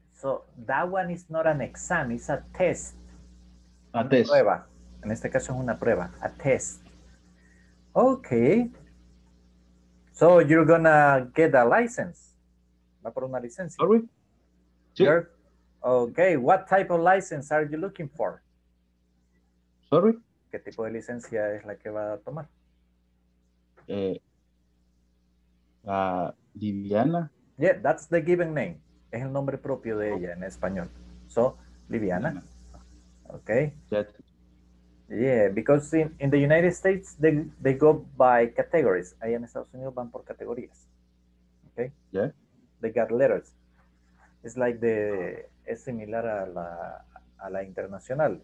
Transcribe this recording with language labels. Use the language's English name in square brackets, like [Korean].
[English] So that one is not an exam, it's a test. A test. [Spanish] Prueba. En este caso es una prueba, [English] a test. Okay. So you're gonna get a license. [Spanish] Va por una licencia. [English] Are we? [Spanish] Sí. [English] Okay, what type of license are you looking for? Sorry? [Spanish] ¿Qué tipo de licencia es la que va a tomar? La Liviana. [English] Yeah, that's the given name. [Spanish] Es el nombre propio de ella en español. [English] So, Liviana. Okay. That's... Yeah, because in the United States, they go by categories. [Spanish] Ahí en Estados Unidos van por categorías. Okay? [English] Yeah. They got letters. It's like [Spanish] es similar a la internacional.